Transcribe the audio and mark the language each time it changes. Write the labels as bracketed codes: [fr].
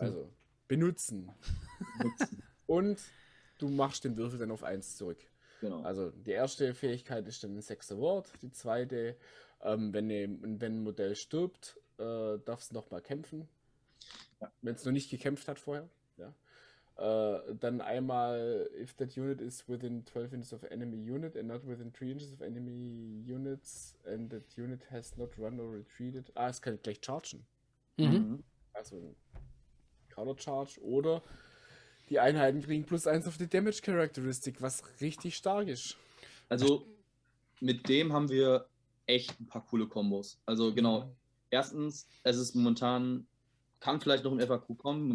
[de] Also benutzen. Und du machst den Würfel dann auf 1 zurück. Genau. Also die erste Fähigkeit ist dann ein 6er Ward, die zweite, wenn ein Modell stirbt, darfst du nochmal kämpfen. Ja. Wenn es noch nicht gekämpft hat vorher. Ja. Dann einmal, [en] if that unit is within 12 inches of enemy unit and not within 3 inches of enemy units and that unit has not run or retreated. [de] Ah, es kann gleich chargen. Mhm. Also Counter Charge oder die Einheiten kriegen plus 1 auf die Damage Characteristic, was richtig stark ist. Also mit dem haben wir echt ein paar coole Kombos. Also genau. Mhm. Erstens, es ist momentan kann vielleicht noch im FAQ kommen.